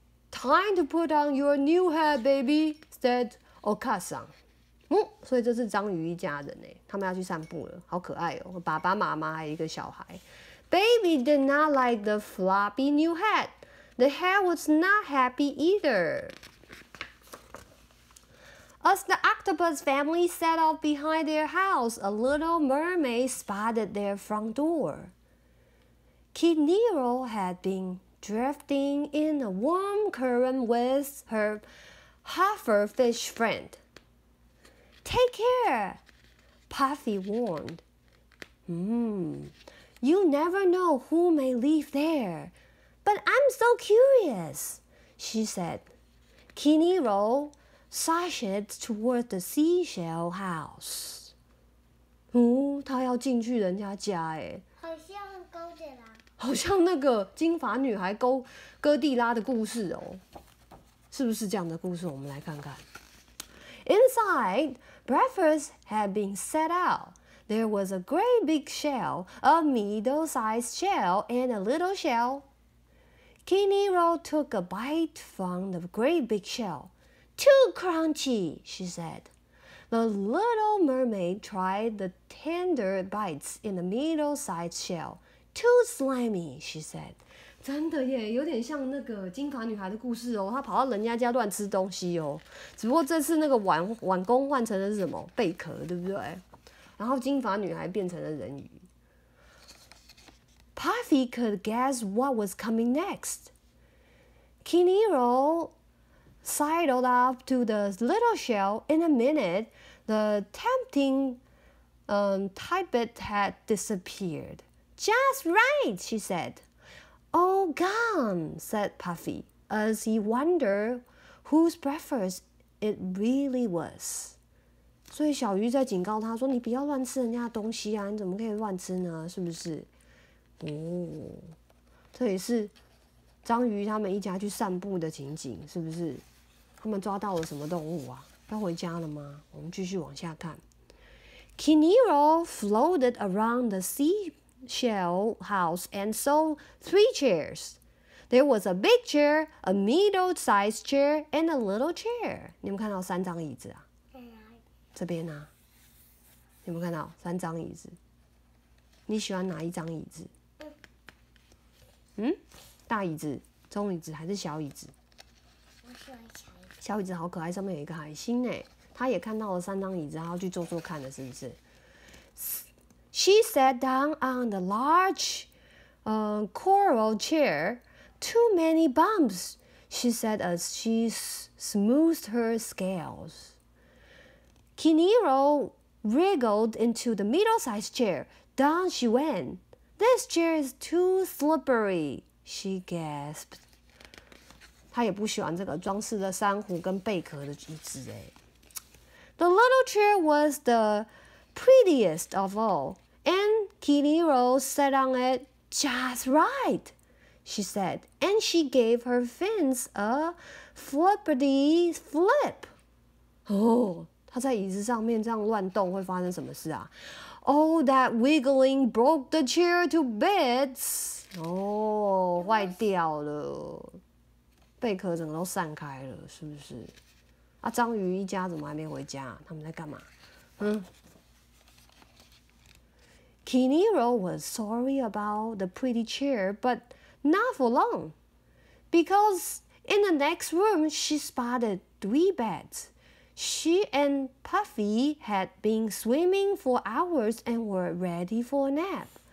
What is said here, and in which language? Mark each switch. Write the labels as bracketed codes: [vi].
[en] Time to put on your new hat, baby, said Okasan. [zh] 所以这是章鱼一家人耶，他们要去散步了，好可爱哦，爸爸妈妈还有一个小孩。 [en] Baby did not like the floppy new hat. The hat was not happy either. As the octopus family set off behind their house, a little mermaid spotted their front door. Kiniro had been drifting in a warm current with her hufferfish friend. Take care, Puffy warned. You never know who may live there. But I'm so curious, she said. Kiniro sashed toward the seashell house. [zh] 他要进去人家家耶。好像勾地拉。好像那个金发女孩勾哥地拉的故事哦。是不是这样的故事？我们来看看。 [en] Inside, breakfast had been set out. There was a great big shell, a middle-sized shell, and a little shell. Kiniro took a bite from the great big shell. Too crunchy, she said. The little mermaid tried the tender bites in the middle-sized shell. Too slimy, she said. [zh] 真的耶，有点像那个金发女孩的故事哦，她跑到人家家乱吃东西哦。只不过这次那个碗工换成的是什么？贝壳，对不对？然后金发女孩变成了人鱼。 [en] Puffy could guess what was coming next. Kiniro sidled up to the little shell. In a minute, the tempting tidbit had disappeared. Just right, she said. All gone, said Puffy, as he wondered whose breakfast it really was. [zh] 所以小鱼在警告他说：“你不要乱吃人家的东西啊！你怎么可以乱吃呢？是不是？” 哦，这也是章鱼他们一家去散步的情景，是不是？他们抓到了什么动物啊？要回家了吗？我们继续往下看。 [en] Kiniro floated around the seashell house and saw three chairs. There was a big chair, a middle-sized chair, and a little chair. [zh] 你们看到三张椅子啊？这边啊，有没有看到三张椅子？你喜欢哪一张椅子？大椅子、中椅子还是小椅子？我喜欢小椅子。小椅子好可爱，上面有一个海星呢。他也看到了三张椅子，他要去坐坐看了，是不是 [en] ？She sat down on the large, coral chair. Too many bumps, she said as she smoothed her scales. Kiniro wriggled into the middle-sized chair. Down she went. This chair is too slippery, she gasped. [zh] 她也不喜欢这个装饰的珊瑚跟贝壳的椅子耶。 [en] The little chair was the prettiest of all, and Kiniro sat on it just right, she said, and she gave her fins a flippity flip. Oh. [zh] 他在椅子上面这样乱动会发生什么事啊 [en] ？All that wiggling broke the chair to bits. [zh] 哦，坏掉了，贝壳整个都散开了，是不是？啊，章鱼一家怎么还没回家？他们在干嘛？ [en] Kiniro was sorry about the pretty chair, but not for long, because in the next room she spotted three beds. She and Puffy had been swimming for hours and were ready for a nap.